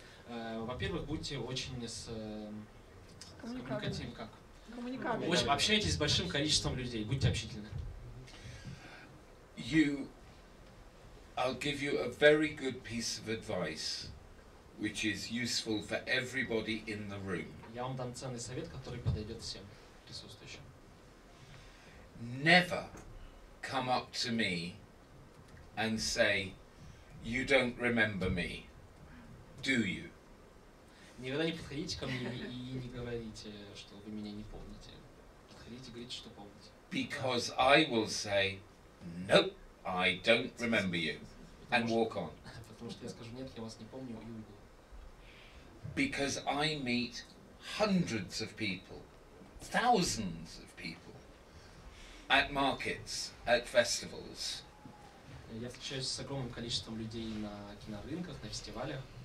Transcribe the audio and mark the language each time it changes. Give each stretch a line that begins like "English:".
Russian: Во-первых, будьте очень с... Коммуникативны. Общайтесь с большим количеством людей, будьте общительны.
English: I'll give you a very good piece of advice, which is useful for everybody in the room.
Russian: Я вам дам ценный совет, который подойдет всем присутствующим.
English: Never come up to me and say, you don't remember me, do you?
Russian: Никогда не подходите ко мне и не говорите, что вы меня не помните. Подходите и говорите, что помните.
English: Because I will say, nope, I don't remember you, and walk on.
Russian: Потому что я скажу, нет, я вас не помню, и уйду.
English: Because I meet hundreds of people, thousands of people at markets, at festivals.
Russian: Я встречаюсь с огромным количеством людей на кинорынках, на фестивалях.